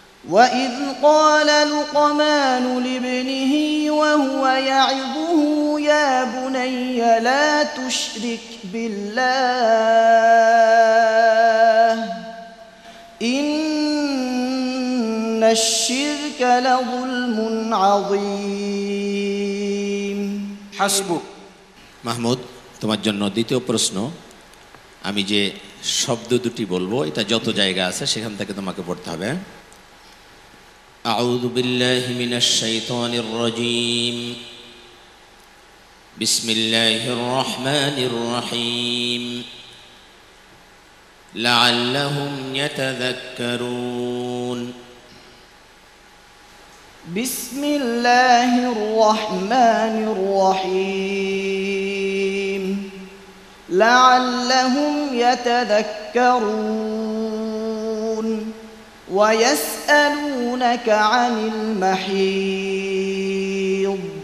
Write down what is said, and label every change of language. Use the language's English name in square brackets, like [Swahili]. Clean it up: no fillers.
[Arabic] وإذ قال لقمان لابنه وهو يعظه يا بني لا تشرك بالله إن الشرك لظلم عظيم حسبك [Bangla] মাহমুদ তোমার জন্য দ্বিতীয় প্রশ্ন আমি যে শব্দ দুটি বলবো এটা যত জায়গা আছে সেখান থেকে তোমাকে পড়তে হবে [Arabic] আউযু বিল্লাহি মিনাশ শাইতানির রাজীম বিসমিল্লাহির রহমানির রহিম লাআল্লাহুম ইয়াতাযাক্কারুন بسم الله الرحمن الرحيم لعلهم يتذكرون ويسألونك عن المحيض